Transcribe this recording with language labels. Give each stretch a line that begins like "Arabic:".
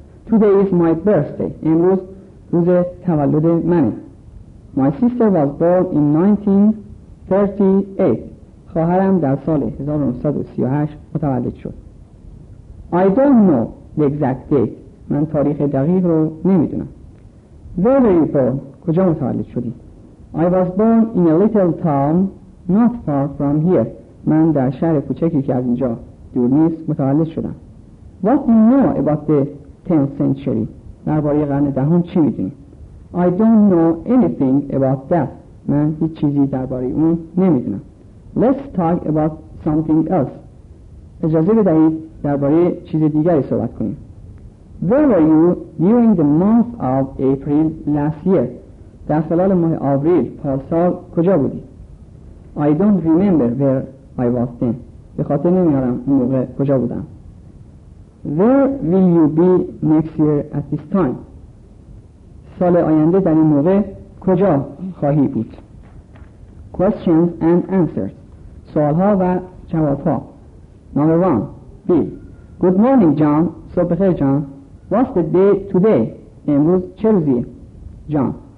English: Today is my birthday.
Persian: امروز روز تولد منه.
English: My sister was born in 1938.
Persian: خواهرم در سال 1938 متولد شد.
English: I don't know the exact date.
Persian: من تاریخ دقیق رو نمیدونم.
English: Where were you born؟
Persian: کجا متولد شدی؟
English: I was born in a little town not far from here.
Persian: من در شهر کوچکی که از اینجا دور نیست متولد شدم.
English: What do you know about the 10th century؟
Persian: درباره قرن دهم چی میدونی؟
English: I don't know anything about that.
Persian: من هیچ چیزی درباره اون نمیدونم.
English: Let's talk about something else.
Persian: اجازه بدهید درباره چیز دیگری صحبت کنیم.
English: Where were you during the month of April last year?
Persian: در سال ماه آوریل پارسال کجا بودی؟
English: I don't remember where I was then.
Persian: به خاطر نمیارم اون موقع کجا بودم.
English: Where will you be next year at this time?
Persian: سال آینده در این موقع کجا خواهی بود؟
English: Questions and answers.
Persian: سوال‌ها و جواب‌ها.
English: Number one. Bill. Good morning, John.
Persian: صبح بخیر,
English: John. What's the day today?
Persian: امروز چه روزیه؟
English: John.